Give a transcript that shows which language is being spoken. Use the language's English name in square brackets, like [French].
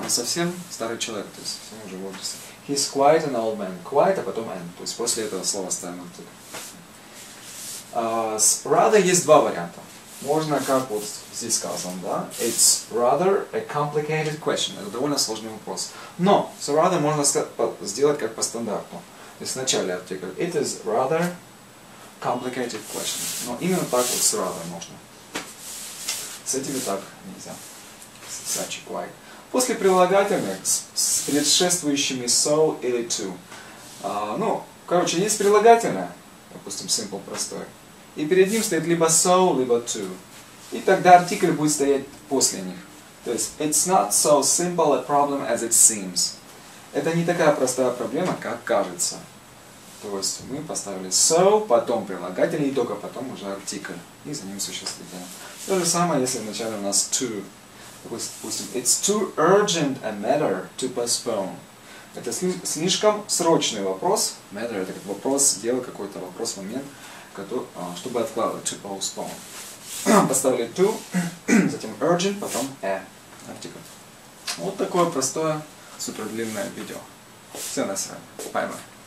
[Russian] Он совсем старый человек, то есть совсем уже в возрасте. [English] He's quite an old man. [Russian] Quite, а потом an. То есть после этого слова ставим оттуда. С rather есть два варианта. Можно, как вот здесь сказано, да? [English] It's rather a complicated question. [Russian] Это довольно сложный вопрос. Но, so rather можно сделать как по стандарту. То есть в начале артикль. [English] It is rather complicated question. [Russian] Но именно так вот с rather можно. С этим и так нельзя. Such a quite. После прилагательных с предшествующими so или to. Ну, короче, есть прилагательное. Допустим, simple, простое. И перед ним стоит либо so, либо to. И тогда артикль будет стоять после них. То есть, [English] it's not so simple a problem as it seems. [Russian] Это не такая простая проблема, как кажется. То есть, мы поставили so, потом прилагательный, и только потом уже артикль. И за ним существительное. То же самое, если вначале у нас to. Допустим, [English] it's too urgent a matter to postpone. [Russian] Это слишком срочный вопрос. Matter – это вопрос, дело, какой-то вопрос, момент. Чтобы откладывать to postpone. Поставили to, затем urgent, потом a. Артикль. Вот такое простое, супер длинное видео. Все на сегодня. Поймай.